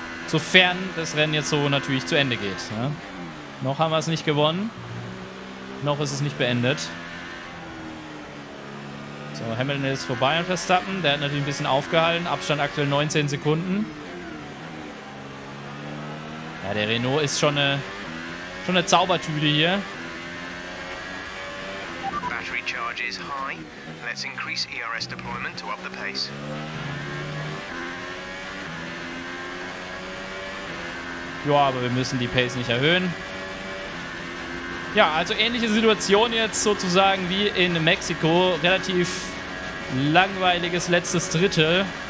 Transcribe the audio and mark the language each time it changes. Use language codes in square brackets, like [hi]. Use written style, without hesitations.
[de] Sofern das Rennen jetzt so natürlich zu Ende geht. Ne? Noch haben wir es nicht gewonnen. Noch ist es nicht beendet. So, Hamilton ist vorbei an Verstappen. Der hat natürlich ein bisschen aufgehalten. Abstand aktuell 19 Sekunden. Ja, der Renault ist schon eine Zaubertüte hier. [en] Charges high. Let's increase ERS deployment to up the pace. [de] Ja, aber wir müssen die Pace nicht erhöhen. Ja, also ähnliche Situation jetzt sozusagen wie in Mexiko. Relativ langweiliges letztes Drittel.